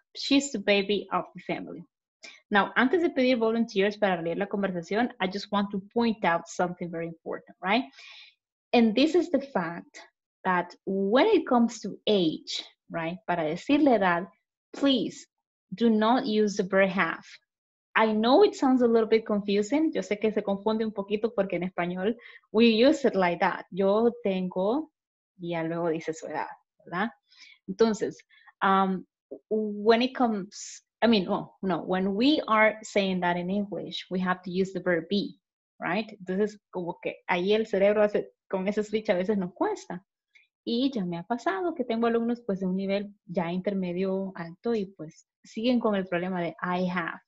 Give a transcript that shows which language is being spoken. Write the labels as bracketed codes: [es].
[en] She's the baby of the family." Now, [es] antes de pedir [en] volunteers para leer la conversación, I just want to point out something very important, right? And this is the fact that when it comes to age, right, [es] para decir la edad, [en] please do not use the verb have. I know it sounds a little bit confusing. [es] Yo sé que se confunde un poquito porque en español [en] we use it like that. [es] Yo tengo, y ya luego dice su edad, ¿verdad? [en] Entonces, when it comes, when we are saying that in English, we have to use the verb be, right? [es] Entonces, como que ahí el cerebro hace, con ese switch a veces nos cuesta. Y ya me ha pasado que tengo alumnos pues de un nivel ya intermedio alto y pues siguen con el problema de I have.